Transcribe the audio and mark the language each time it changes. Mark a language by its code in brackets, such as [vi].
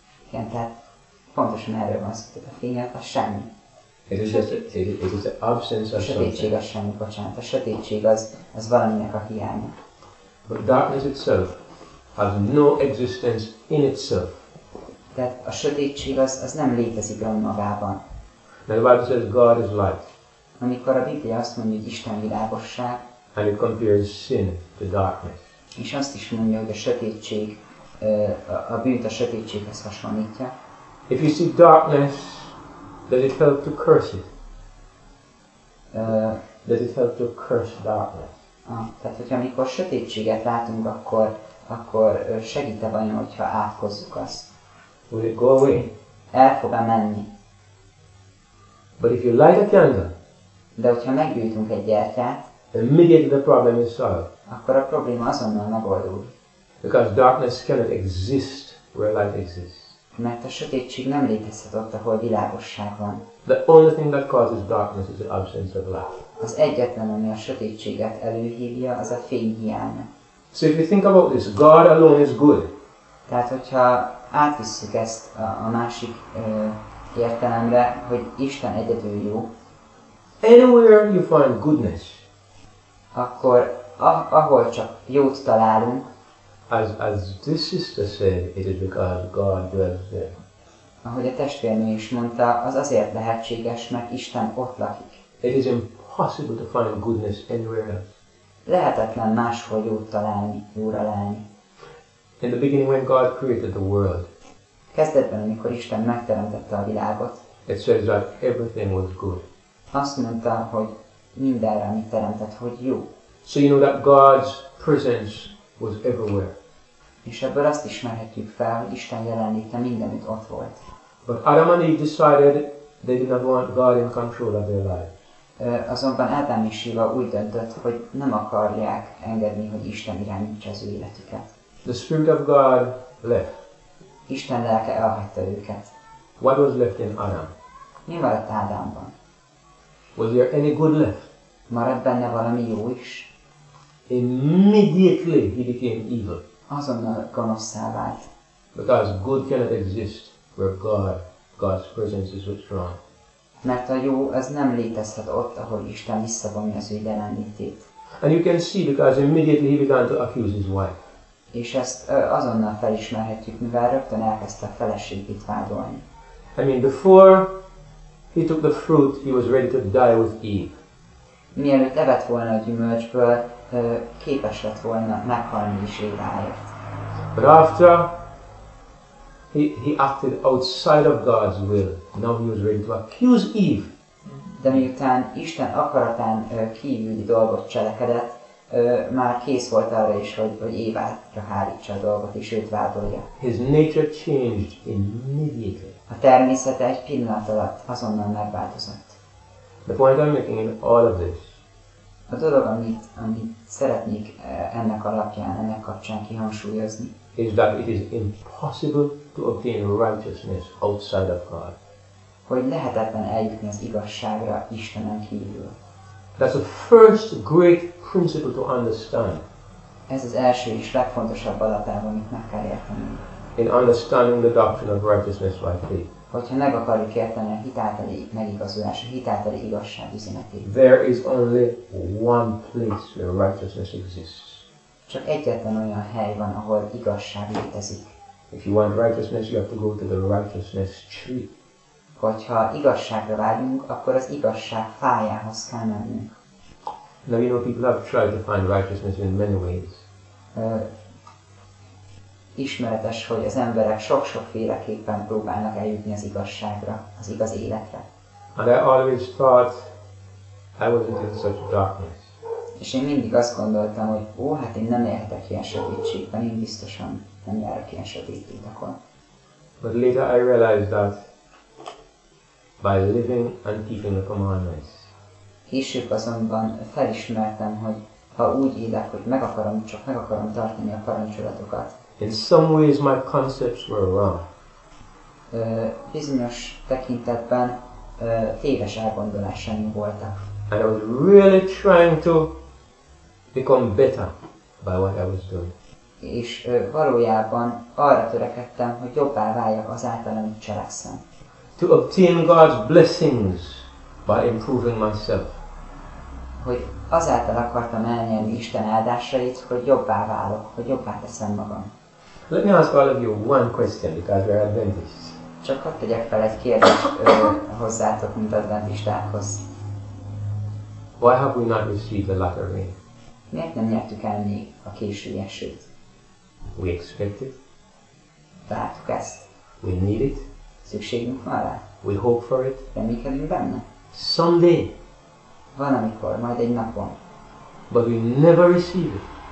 [hu] Igen, tehát pontosan erről van szó, a fény a semmi. [en] It is the absence of something. [hu] A sötétség a semmi, bocsánat. A sötétség az valaminek a hiánya. [en] But darkness itself has no existence in itself. [hu] Tehát a sötétség az nem létezik önmagában. [en] Now the Bible says God is light. [hu] Amikor a Biblia azt mondja, hogy Isten világosság, [en] And it compares sin to darkness. [hu] És azt is mondja, hogy a sötétség, a bűnt a sötétséghez hasonlítja. [en] If you see darkness, does it help to curse it? Does it help to curse darkness? [hu] Tehát, hogyha amikor sötétséget látunk, akkor segít-e vajon, hogyha átkozzuk azt? [en] Will it go away? [hu] El fog-e menni? [en] But if you light a candle, [hu] de hogyha meggyújtunk egy gyertyát, [en] immediately the problem is solved. [hu] Akkor a probléma azonnal megoldódik. [en] Because darkness cannot exist where light exists. [hu] Mert a sötétség nem létezhet ott, ahol világosság van. [en] The only thing that causes darkness is the absence of light. [hu] Az egyetlen, ami a sötétséget előhívja, az a fény hiánya. [en] So if you think about this, God alone is good. [hu] Tehát, hogyha átvisszük ezt a másik értelemre, hogy Isten egyedül jó. [en] Anywhere you find goodness. [hu] Akkor ahol csak jót találunk. [en] As this sister said, it is because God dwells there. [hu] Ahogy a testvérnő is mondta, az azért lehetséges, mert Isten ott lakik. [en] It is impossible to find goodness anywhere else. [hu] Lehetetlen máshol jót találni, jóra lenni. [en] In the beginning, when God created the world, [hu] kezdetben, amikor Isten megteremtette a világot, [en] it says that everything was good. [hu] Azt mondta, hogy mindenre, amit teremtett, hogy jó. [en] So you know that God's presence was everywhere. [hu] És ebből azt ismerhetjük fel, hogy Isten jelenléte mindenütt ott volt. [en] But Adam and Eve decided they did not want God in control of their life. [hu] Azonban Ádám és Éva úgy döntött, hogy nem akarják engedni, hogy Isten irányítsa az ő életüket. [en] The Spirit of God left. [hu] Isten lelke elhagyta őket. [en] What was left in Adam? [hu] Mi maradt Ádámban? [en] Was there any good left? [hu] Maradt benne valami jó is? [en] Immediately he became evil. [hu] Azonnal gonoszszá vált. [en] Because good cannot exist where God's presence is so strong. [hu] Mert a jó az nem létezhet ott, ahol Isten visszavonja az ő jelenlétét. [en] And you can see because immediately he began to accuse his wife. [hu] És ezt azonnal felismerhetjük, mivel rögtön elkezdte a feleségét vádolni. [en] I mean, before he took the fruit, he was ready to die with Eve. [hu] Mielőtt evett volna a gyümölcsből, képes lett volna meghalni is Éváért. [en] But after he acted outside of God's will, now he was ready to accuse Eve. [hu] De miután Isten akaratán kívüli dolgot cselekedett, már kész volt arra is, hogy Évára hárítsa a dolgot, és őt vádolja. [en] His nature changed immediately. [hu] A természete egy pillanat alatt azonnal megváltozott. [en] The point I'm making in all of this. [hu] A dolog, amit szeretnék ennek alapján, ennek kapcsán kihangsúlyozni. [en] Is that it is impossible to obtain righteousness outside of God. [hu] Hogy lehetetlen eljutni az igazságra Istenen kívül. [en] That's the first great principle to understand. [hu] Ez az első és legfontosabb alapelv, amit meg kell érteni. [en] In understanding the doctrine of righteousness by faith. [hu] Hogyha meg akarjuk érteni a hitáltali megigazulás, a hitáltali igazság üzenetét. [en] There is only one place where righteousness exists. [hu] Csak egyetlen olyan hely van, ahol igazság létezik. [en] If you want righteousness, you have to go to the righteousness tree. [hu] Hogyha igazságra vágyunk, akkor az igazság fájához kell mennünk. [en] Now you know people have tried to find righteousness in many ways. [hu] Ismeretes, hogy az emberek sok-sok féleképpen próbálnak eljutni az igazságra, az igaz életre. [en] And I always thought I wasn't in such darkness. [hu] És én mindig azt gondoltam, hogy hát én nem élhetek ilyen sötétségben, én biztosan nem járok ilyen sötét utakon. [en] But later I realized that by living and keeping the commandments. [hu] Később azonban felismertem, hogy ha úgy élek, hogy meg akarom tartani a parancsolatokat. [en] In some ways my concepts were wrong. [hu] Bizonyos tekintetben téves elgondolásaim voltak. [en] And I was really trying to become better by what I was doing. [hu] És valójában arra törekedtem, hogy jobbá váljak azáltal, amit cselekszem. [en] To obtain God's blessings by improving myself. [hu] Hogy azáltal akartam elnyerni Isten áldásait, hogy jobbá válok, hogy jobbá teszem magam. [en] Let me ask all of you one question, because we are Adventists. [hu] Csak hadd tegyek fel egy kérdést hozzátok, mint adventistákhoz. [en] Why have we not received the latter rain? [hu] Miért nem nyertük el még a késő esőt? [en] We expect it. [hu] Vártuk ezt. [en] We need it. [hu] Szükségünk van rá. [en] We hope for it. [hu] Reménykedünk benne. [en] Someday. [hu] Valamikor, majd egy napon. [en] But we never receive it.